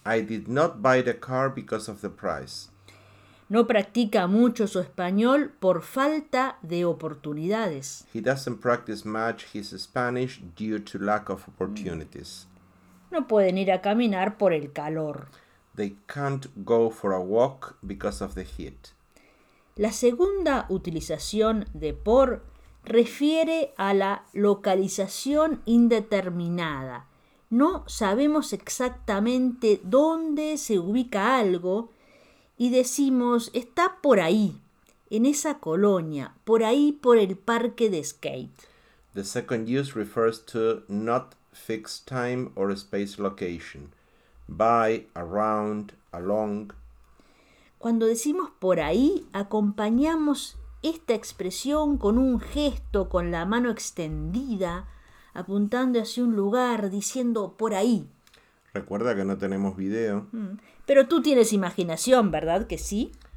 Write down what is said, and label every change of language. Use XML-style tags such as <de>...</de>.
<en>I did not buy the car because of the price.</en> <es>No practica mucho su español por falta de oportunidades.</es> <en>He doesn't practice much his Spanish due to lack of opportunities.</en> <es>No pueden ir a caminar por el calor.</es> <en>They can't go for a walk because of the heat.</en> <es>La segunda utilización de por refiere a la localización indeterminada. No sabemos exactamente dónde se ubica algo y decimos, está por ahí, en esa colonia, por ahí por el parque de skate.</es> <en>The second use refers to not fixed time or space location. By, around, along.</en> <es>Cuando decimos por ahí, acompañamos esta expresión con un gesto con la mano extendida, apuntando hacia un lugar, diciendo por ahí. Recuerda que no tenemos video. Pero tú tienes imaginación, ¿verdad que sí?</es>